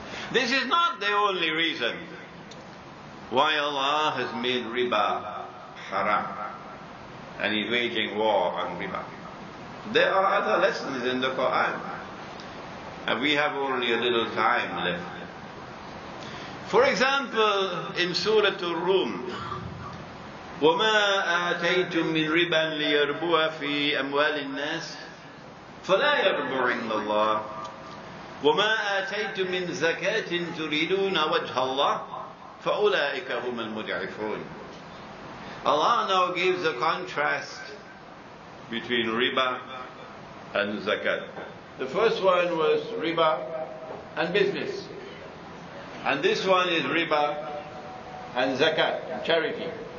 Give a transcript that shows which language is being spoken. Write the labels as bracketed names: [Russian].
[English] This is not the only reason why Allah has made riba haram and is waging war on riba. There are other lessons in the Quran, and we have only a little time left. For example, in Surah Ar-Rum, [Arabic] وَمَا آتَيْتُم مِّن رِبًا لِيَرْبُوَ فِي أَمْوَالِ النَّاسِ فَلَا يَرْبُوَ عِنْدَ اللَّهِ وَمَا آتَيْتُم مِّن زَكَاةٍ تُرِيدُونَ وَجْهَ اللَّهِ فَأُولَٰئِكَ هُمَ الْمُدْعِفُونَ. [English] Allah now gives a contrast between riba and zakat. The first one was riba and business. And this one is riba and zakat, charity.